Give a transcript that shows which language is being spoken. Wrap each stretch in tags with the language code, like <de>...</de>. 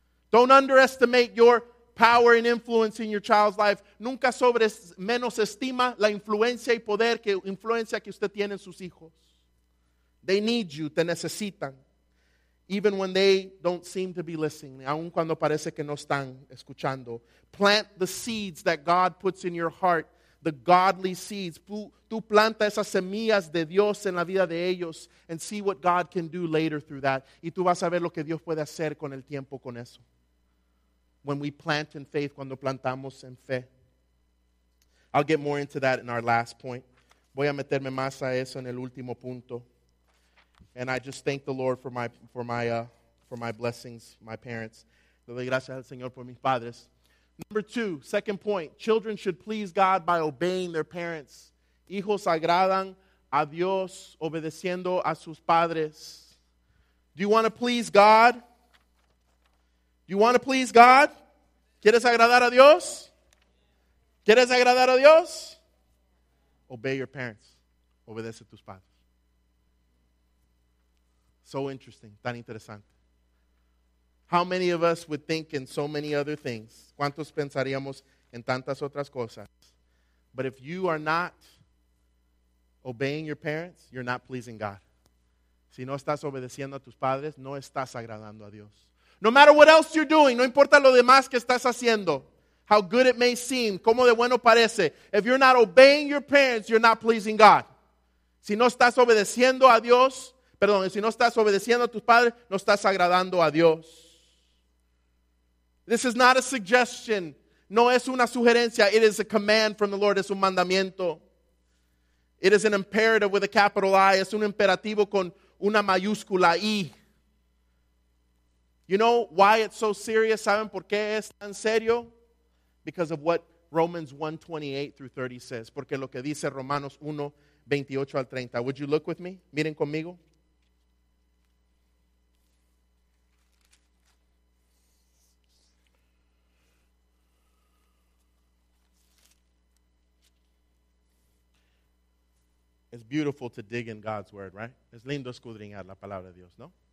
<en>Don't underestimate your power and influence in your child's life.</en> <es>Nunca sobre menosestima la influencia y poder que influencia que usted tiene en sus hijos.</es> <en>They need you.</en> <es>Te necesitan.</es> <en>Even when they don't seem to be listening,</en> <es>aun cuando parece que no están escuchando.</es> <en>Plant the seeds that God puts in your heart, the godly seeds.</en> <es>Tú planta esas semillas de Dios en la vida de ellos</es> <en>and see what God can do later through that.</en> <es>Y tú vas a ver lo que Dios puede hacer con el tiempo con eso.</es> <en>When we plant in faith,</en> <es>cuando plantamos en fe.</es> <en>I'll get more into that in our last point.</en> <es>Voy a meterme más a eso en el último punto.</es> <en>And I just thank the Lord for my blessings, my parents.</en> <es>Le doy gracias al Señor por mis padres.</es> <en>Number two, second point. Children should please God by obeying their parents.</en> <es>Hijos agradan a Dios obedeciendo a sus padres.</es> <en>Do you want to please God? Do you want to please God?</en> <es>¿Quieres agradar a Dios? ¿Quieres agradar a Dios?</es> <en>Obey your parents.</en> <es>Obedece a tus padres.</es> <en>So interesting,</en> <es>tan interesante.</es> <en>How many of us would think in so many other things?</en> <es>¿Cuántos pensaríamos en tantas otras cosas?</es> <en>But if you are not obeying your parents, you're not pleasing God.</en> <es>Si no estás obedeciendo a tus padres, no estás agradando a Dios.</es> <en>No matter what else you're doing,</en> <es>no importa lo demás que estás haciendo,</es> <en>how good it may seem,</en> <es>como de bueno parece,</es> <en>if you're not obeying your parents, you're not pleasing God.</en> <es>Si no estás obedeciendo a Dios, perdón, si no estás obedeciendo a tus padres, no estás agradando a Dios.</es> <en>This is not a suggestion.</en> <es>No es una sugerencia.</es> <en>It is a command from the Lord.</en> <es>Es un mandamiento.</es> <en>It is an imperative with a capital I.</en> <es>Es un imperativo con una mayúscula I.</es> <en>You know why it's so serious?</en> <es>¿Saben por qué es tan serio?</es> <en>Because of what Romans 1:28 through 30 says.</en> <es>Porque lo que dice Romanos 1:28 al 30.</es> <en>Would you look with me?</en> <es>Miren conmigo.</es> <en>It's beautiful to dig in God's word, right?</en> <es>Es lindo escudriñar la palabra de Dios, ¿no?</es>